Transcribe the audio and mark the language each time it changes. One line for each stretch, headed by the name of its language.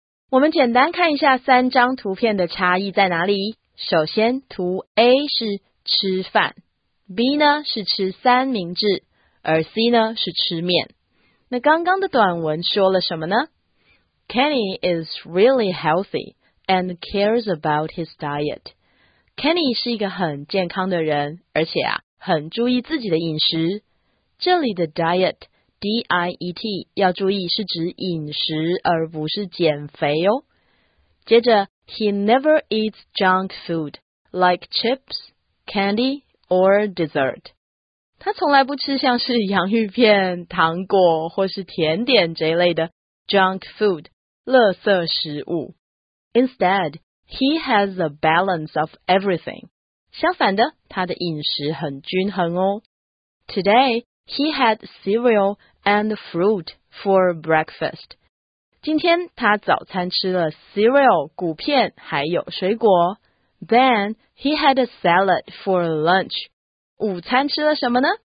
Chinese: 我们简单看一下三张图片的差异在哪里。首先，图 A 是吃饭， B 呢是吃三明治，而 C 呢是吃面。那刚刚的短文说了什么呢？
English: Kenny is really healthy and cares about his diet.
Chinese: Kenny 是一个很健康的人，而且啊，很注意自己的饮食。这里的 diet, D-I-E-T, 要注意是指饮食而不是减肥哦。接着
English: ,He never eats junk food, like chips, candy, or dessert.
Chinese: 他从来不吃像是洋芋片、糖果或是甜点这一类的 junk food, 垃圾食物。
English: Instead, he has a balance of everything.
Chinese: 相反的，他的饮食很均衡哦。
English: Today, he had cereal and fruit for breakfast.
Chinese: 今天他早餐吃了 cereal 谷片还有水果。
English: Then he had a salad for lunch.
Chinese: 午餐吃了什么呢？